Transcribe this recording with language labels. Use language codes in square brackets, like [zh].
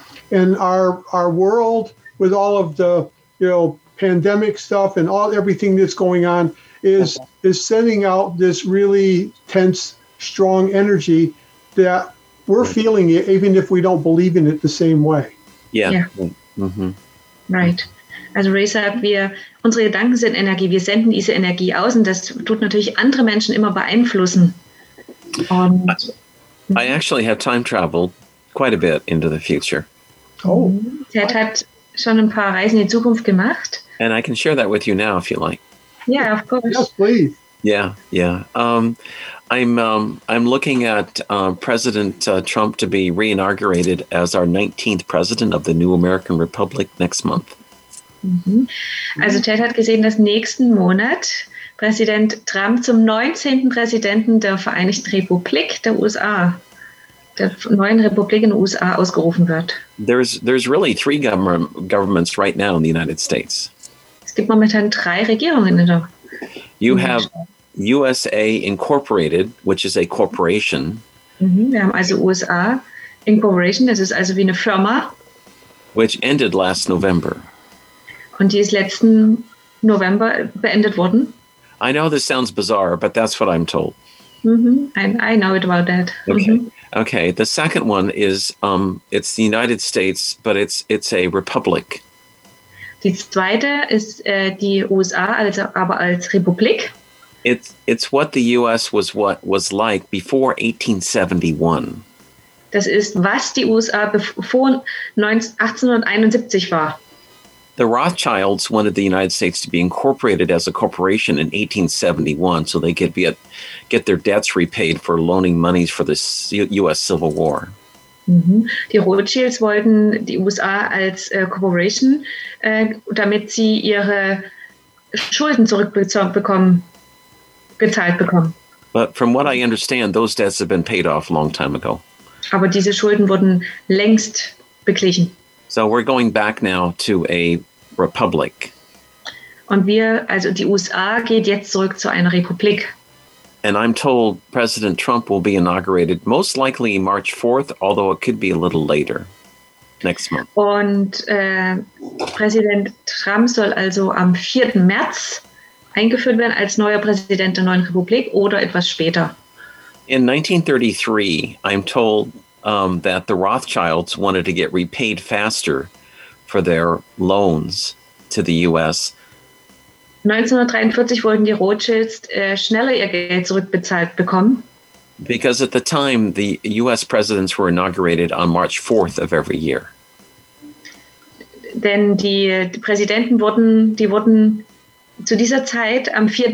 [en] And our world, with all of the, you know, pandemic stuff and all everything that's going on, is sending out this really tense, strong energy that we're feeling it, even if we don't believe in it the same way. Yeah. Mm-hmm. Right. [de] Also Ray sagt, unsere Gedanken sind Energie, wir senden diese Energie aus, und das tut natürlich andere Menschen immer beeinflussen. [en] I actually have time traveled quite a bit into the future. Oh. [de] Ted hat schon ein paar Reisen in die Zukunft gemacht. [en] And I can share that with you now if you like. Yeah, of course. Yes, please. Yeah, yeah. I'm looking at President Trump to be reinaugurated as our 19th president of the new American Republic next month. Mm-hmm. [de] Also Ted hat gesehen, dass nächsten Monat Präsident Trump zum 19. Präsidenten der Vereinigten Republik der USA, der neuen Republik in den USA, ausgerufen wird. [en] There's really three governments right now in the United States. [de] Es gibt momentan drei Regierungen in der [en] You have USA Incorporated, which is a corporation. Mm-hmm. [de] Wir haben also USA Incorporation, das ist also wie eine Firma. [en] Which ended last November. [de] Und die ist letzten November beendet worden. [en] I know this sounds bizarre, but that's what I'm told. Mm-hmm. I know it about that. Okay. Mm-hmm. Okay. The second one is it's the United States, but it's a republic. [de] Die zweite ist die USA, also aber als Republik. [en] It's what the U.S. was like before 1871. [de] Das ist, was die USA vor 1871 war. [en] The Rothschilds wanted the United States to be incorporated as a corporation in 1871 so they could get their debts repaid for loaning monies for the U.S. Civil War. Mm-hmm. [de] Die Rothschilds wollten die USA als Corporation, damit sie ihre Schulden gezahlt bekommen. [en] But from what I understand, those debts have been paid off a long time ago. [de] Aber diese Schulden wurden längst beglichen. [en] So we're going back now to a republic. [de] Und wir, also die USA geht jetzt zurück zu einer Republik. [en] And I'm told President Trump will be inaugurated most likely March 4th, although it could be a little later, next month. [de] Und Präsident Trump soll also am 4. März eingeführt werden als neuer Präsident der neuen Republik oder etwas später. [en] In 1933, I'm told that the Rothschilds wanted to get repaid faster for their loans to the U.S. [de] 1943 wollten die Rothschilds schneller ihr Geld zurückbezahlt bekommen. [en] Because at the time, the U.S. presidents were inaugurated on March 4th of every year. [de] Denn die Präsidenten wurden zu dieser Zeit am 4.